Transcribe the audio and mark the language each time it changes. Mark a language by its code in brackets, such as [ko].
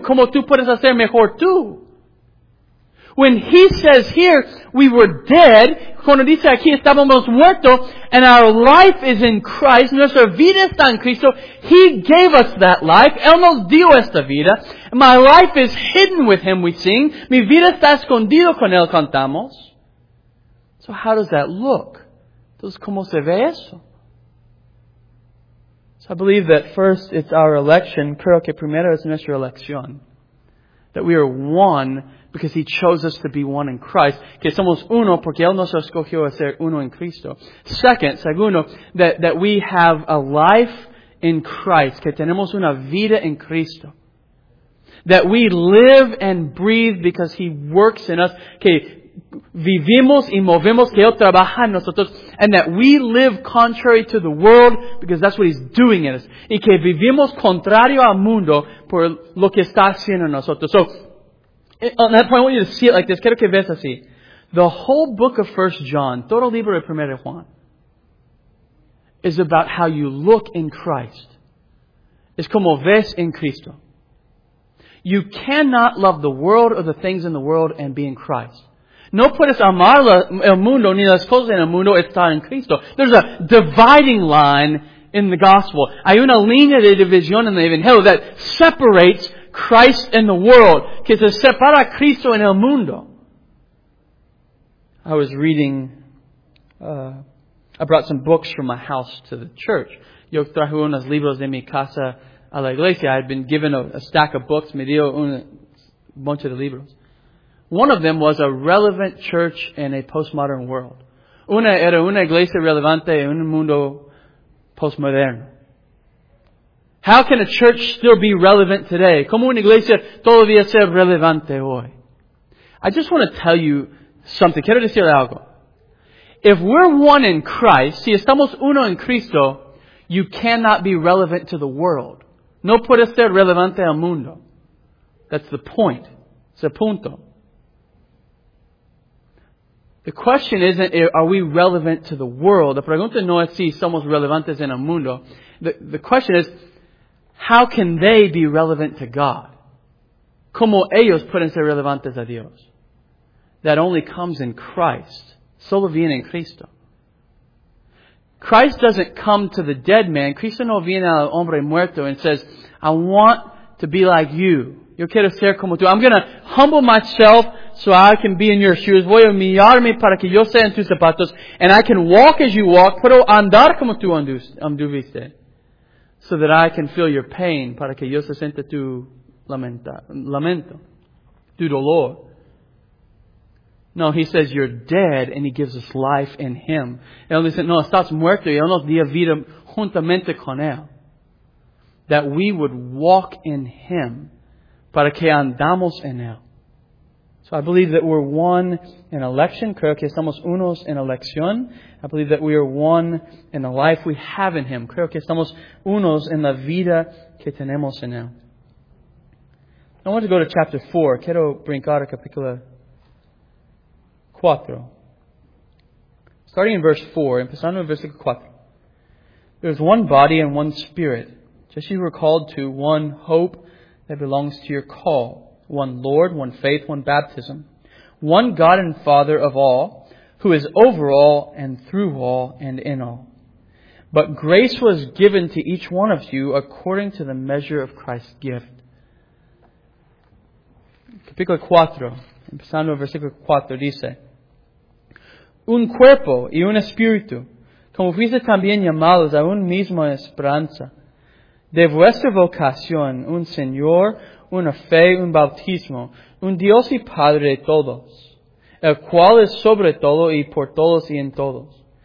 [es] ¿Cómo tú puedes hacer mejor tú? [en] When he says here, we were dead, [es] cuando dice aquí, estábamos muertos, [en] and our life is in Christ, [es] nuestra vida está en Cristo, [en] he gave us that life, [es] él nos dio esta vida, [en] my life is hidden with him, we sing, [es] mi vida está escondido con él, cantamos. [en] So how does that look? [es] Entonces, ¿cómo se ve eso? [en] So I believe that first it's our election. [es] Creo que primero es nuestra elección. [en] That we are one because He chose us to be one in Christ. [es] Que somos uno porque Él nos escogió a ser uno en Cristo. [en] Segundo, that we have a life in Christ. [es] Que tenemos una vida en Cristo. [en] That we live and breathe because He works in us. [es] Que vivimos y movemos que Él trabaja en nosotros, [en] and that we live contrary to the world because that's what He's doing in us, [es] y que vivimos contrario al mundo por lo que está haciendo en nosotros. [en] So on that point, I want you to see it like this. [es] Quiero que veas así. [en] The whole book of 1 John, [es] todo el libro de 1 Juan, [en] is about how you look in Christ. [es] Es como ves en Cristo. [en] You cannot love the world or the things in the world and be in Christ. [es] No puedes amar el mundo ni las cosas en el mundo estar en Cristo. [en] There's a dividing line in the gospel. [es] Hay una línea de división en el evangelio [en] that separates Christ and the world. [es] Que se separa a Cristo en el mundo. [en] I was reading I brought some books from my house to the church. [es] Yo trajo unos libros de mi casa a la iglesia. [en] I had been given a stack of books. [es] Me dio un bunch de libros. [en] One of them was A Relevant Church in a Postmodern World. [es] Una era una iglesia relevante en un mundo postmoderno. [en] How can a church still be relevant today? [es] ¿Cómo una iglesia todavía ser relevante hoy? [en] I just want to tell you something. [es] Quiero decir algo. [en] If we're one in Christ, [es] si estamos uno en Cristo, [en] you cannot be relevant to the world. [es] No puede ser relevante al mundo. [en] That's the point. [es] Es el punto. [en] The question isn't, are we relevant to the world? [es] La pregunta no es si somos relevantes en el mundo. [en] The question is, how can they be relevant to God? [es] ¿Cómo ellos pueden ser relevantes a Dios? [en] That only comes in Christ. [es] Solo viene en Cristo. [en] Christ doesn't come to the dead man. [es] Cristo no viene al hombre muerto [en] and says, I want to be like you. [es] Yo quiero ser como tú. [en] I'm going to humble myself so I can be in your shoes. [es] Voy a humillarme para que yo sea en tus zapatos. [en] And I can walk as you walk. [es] Puedo andar como tú anduviste. [en] So that I can feel your pain. [es] Para que yo se sienta tu lamento. Tu dolor. [en] No, he says, you're dead, and he gives us life in him. [es] Él dice, no, estás muerto, y él nos dio vida juntamente con él. [en] That we would walk in him, [es] para que andamos en él. [en] So I believe that we're one in election. [es] Creo que estamos unos en elección. [en] I believe that we are one in the life we have in him. [es] Creo que estamos unos en la vida que tenemos en él. [en] I want to go to chapter 4. [es] Quiero brincar a capítulo 4. [en] Starting in verse 4, [es] empezando en versículo 4. [en] There is one body and one spirit, just as you were called to, one hope that belongs to your call, one Lord, one faith, one baptism, one God and Father of all, who is over all and through all and in all. But grace was given to each one of you according to the measure of Christ's gift. [es] Capítulo 4, empezando en versículo 4, dice, un cuerpo y un espíritu, como fuiste también llamados a un mismo esperanza, de vuestra vocación, un Señor, una fe, un bautismo, un Dios y Padre de todos, el cual es sobre todo y por todos y en todos.